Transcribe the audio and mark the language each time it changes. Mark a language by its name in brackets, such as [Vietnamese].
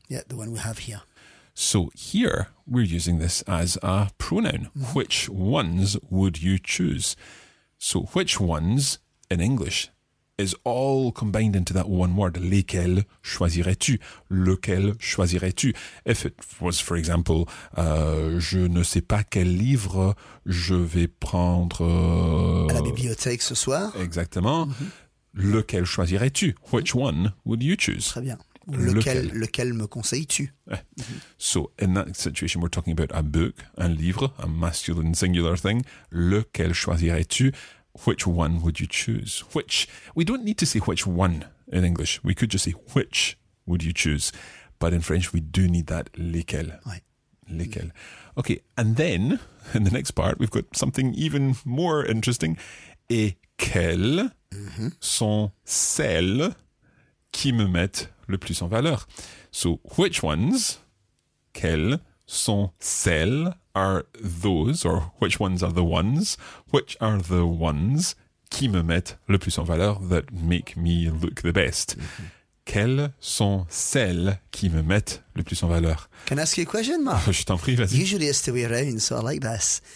[English] Yeah, the one we have here. So here, we're using this as a pronoun. Mm-hmm. Which ones would you choose? So which ones, in English, is all combined into that one word, [French] lesquels choisirais-tu? Lequel choisirais-tu? [English] If it was, for example, [French] je ne sais pas quel livre je vais prendre... à la bibliothèque ce soir. Exactement. Mm-hmm. Lequel choisirais-tu? [English] Which one would you choose? [French] Très bien. Lequel me conseilles-tu? [English] Yeah. Mm-hmm. So, in that situation, we're talking about a book, un livre, a masculine singular thing. [French] Lequel choisirais-tu? [English] Which one would you choose? Which, we don't need to say which one in English. We could just say, which would you choose? But in French, we do need that, lesquels. Oui. Lesquels. Okay, and then, in the next part, we've got something even more interesting. [French] Et quelles sont celles qui me mettent le plus en valeur? [English] So, which ones, [French] quelles sont celles, [English] are those, or which ones are the ones, which are the ones [French] qui me mettent le plus en valeur, [English] that make me look the best? Mm-hmm. [French] Quelles sont celles qui me mettent le plus en valeur? [English] Can I ask you a question, Mark? [French] Je t'en prie, vas-y. [English] Usually it's the way around, so I like this.